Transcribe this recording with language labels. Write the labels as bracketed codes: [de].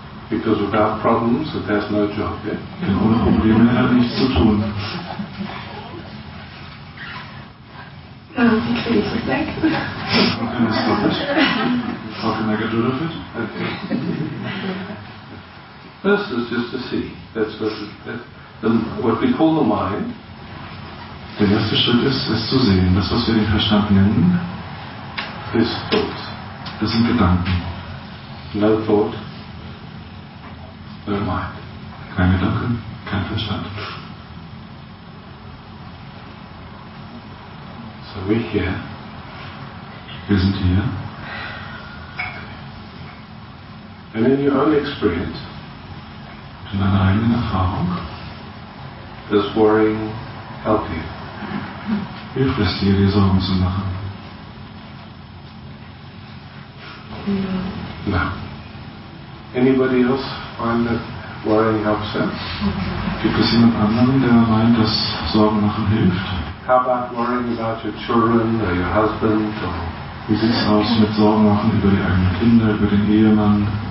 [en] Because without problems, it has no job, yeah? [de] Denn ohne Probleme hat er nichts zu tun. Wie kriege ich das weg? [en] How can I get rid of it? This is just a see. That's what we call the mind. [de] Der erste Schritt ist, es zu sehen. Das, was wir den Verstand nennen, [en] is thought. [de] Das sind Gedanken. [en] No thought, no mind. [de] Kein Gedanken, kein Verstand. [en] So we're here. [de] Wir sind hier. [en] And in your own experience, [de] in deiner eigenen Erfahrung, [en] does worrying help you? [de] Hilft es dir, dir Sorgen zu machen? [en] No. Anybody else find that worrying helps them? [de] Gibt es jemand anderen, der meint, dass Sorgen machen hilft? [en] How about worrying about your children or your husband? [de] Wie sieht es aus mit Sorgen machen über die eigenen Kinder, über den Ehemann?